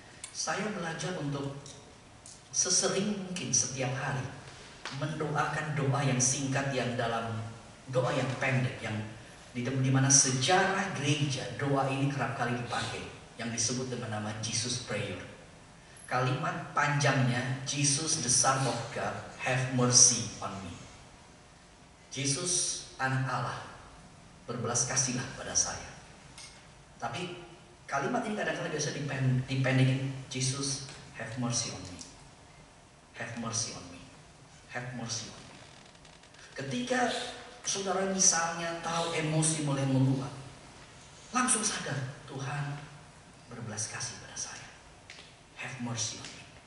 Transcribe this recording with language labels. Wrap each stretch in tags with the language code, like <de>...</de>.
<id>Saya belajar untuk sesering mungkin setiap hari mendoakan doa yang singkat, yang dalam doa yang pendek, yang di mana sejarah gereja doa ini kerap kali dipakai, yang disebut dengan nama Jesus Prayer. Kalimat panjangnya,</id> <en>Jesus the Son of God, have mercy on me.</en> <id>Jesus anak Allah, berbelas kasihlah pada saya. Tapi kalimat ini kadang-kadang biasa dipendekin,</id> <en>Jesus have mercy on me. Have mercy on me. Have mercy on me.</en> <id>Ketika saudara misalnya tahu emosi mulai meluap, langsung sadar, Tuhan berbelas kasih pada saya,</id> <en>have mercy on me.</en>